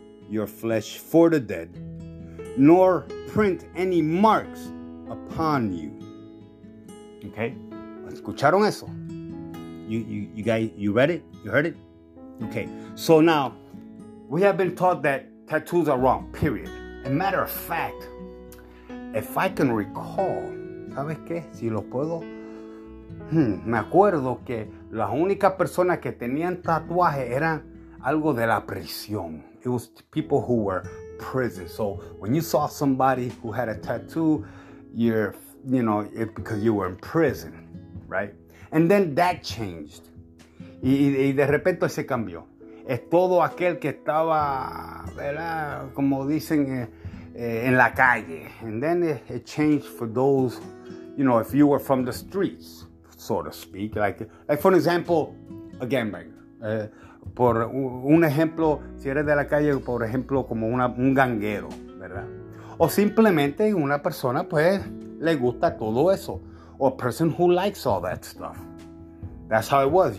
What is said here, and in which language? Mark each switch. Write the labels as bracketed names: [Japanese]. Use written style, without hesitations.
[English] your flesh for the dead, nor print any marks upon you. Okay. [Spanish] ¿Escucharon eso? [English] You guys, you read it? You heard it? Okay. So now, we have been taught that tattoos are wrong, period. As a matter of fact, if I can recall, [Spanish] ¿sabes qué? Si lo puedo, me acuerdo que las únicas personas que tenían tatuaje eran algo de la prisión. [English] It was people who were prison. So when you saw somebody who had a tattoo, it's because you were in prison, right? And then that changed. [Spanish] Y de repente se cambió. Es todo aquel que estaba, ¿verdad? Como dicen, en la calle. [English] And then it changed for those, you know, if you were from the streets, so to speak. Like for example, a gangbanger. [Spanish] Por un ejemplo, si eres de la calle, por ejemplo, como un ganguero, ¿verdad? O simplemente una persona, pues, le gusta todo eso. [English] Or a person who likes all that stuff. That's how it was.